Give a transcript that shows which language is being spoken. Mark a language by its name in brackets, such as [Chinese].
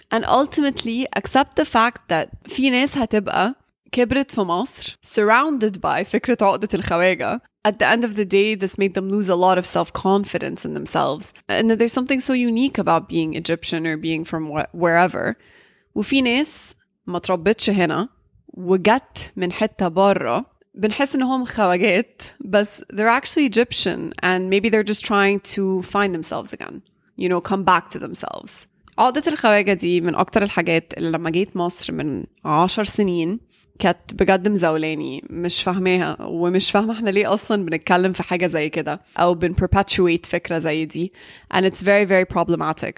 [English] And ultimately, accept the fact that [Arabic] في ناس هتبقى كبرت في مصر, [English] surrounded by [Arabic] فكرة عقدة الخواجة. [English] At the end of the day, this made them lose a lot of self-confidence in themselves. And that there's something so unique about being Egyptian or being from wherever. [Arabic] وفي ناس ما تربتش هنا وجت من حتة برا. بنحس انهم خواجات, [English] but they're actually Egyptian and maybe they're just trying to find themselves again, you know, come back to themselves. [Arabic] عقدة الخواجة دي من اكتر الحاجات اللي لما جيت مصر من 10 سنين كانت بجد مزولاني, مش فاهماها ومش فاهمة احنا ليه اصلا بنتكلم في حاجة زي كده او بن perpetuate فكرة زي دي, [English] and it's very very problematic.